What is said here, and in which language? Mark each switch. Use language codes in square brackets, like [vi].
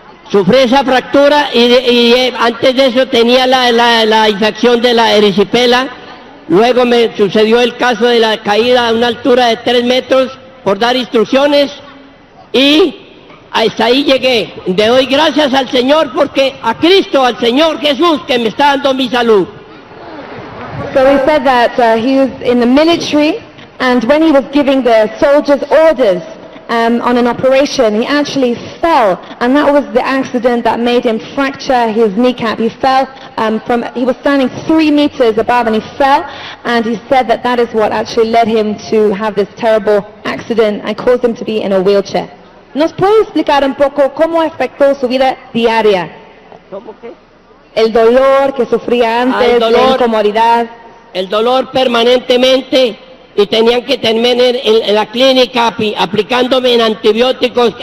[es] Sufrí esa fractura antes de eso tenía la infección de la erisipela. Luego me sucedió el caso de la caída a una altura de 3 metros por dar instrucciones y hasta ahí llegué. Le doy gracias al Señor porque a Cristo, al Señor Jesús, que me está dando mi salud. [en] So he said that he was in the military, and when he was giving the soldiers orders on an operation, he actually fell, and that was the accident that made him fracture his kneecap. He fell he was standing 3 meters above, and he fell, and he said that that is what actually led him to have this terrible accident and caused him to be in a wheelchair. [es] ¿Nos puede explicar un poco cómo afectó su vida diaria? ¿Cómo qué? El dolor que sufría antes, la incomodidad. El dolor permanentemente, y tenían que tener en la clínica aplicándome en antibióticos.